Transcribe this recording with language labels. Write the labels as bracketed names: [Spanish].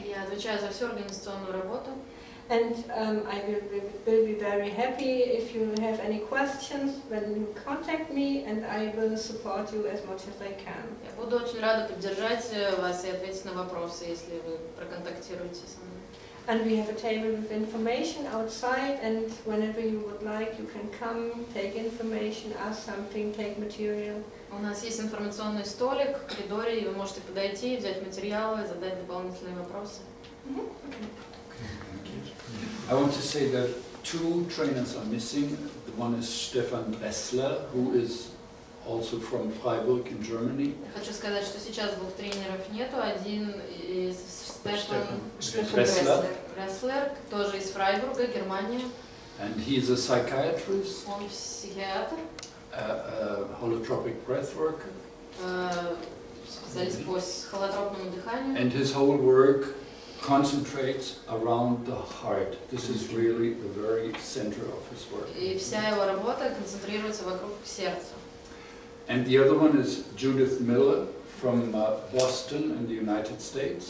[Russian] Я отвечаю за всю организационную работу. [English] And I will be very happy if you have any questions, then contact me and I will support you as much as I can. [Russian] Я буду очень рада поддержать вас и ответить на вопросы, если вы проконтактируете со мной. [English] And we have a table with information outside, and whenever you would like, you can come, take information, ask something, take material. [Russian] У нас есть информационный столик в коридоре, и вы можете подойти, взять материалы, задать дополнительные вопросы. [English] I want to say that two trainers are missing. The one is Stefan Bessler, who is also from Freiburg in Germany. [Russian] Хочу сказать, что сейчас двух тренеров нету. Один из Стефан Бесслер, тоже из Фрайбурга, Германия. [English] And he is a psychiatrist. [Russian] Он психиатр. [English] Holotropic breathwork. [Russian] Специалист по холотропному дыханию. [English] And his whole work concentrates around the heart. This is really the very center of his work. [Russian] И вся его работа концентрируется вокруг сердца. [English] And the other one is Judith Miller from Boston in the United States.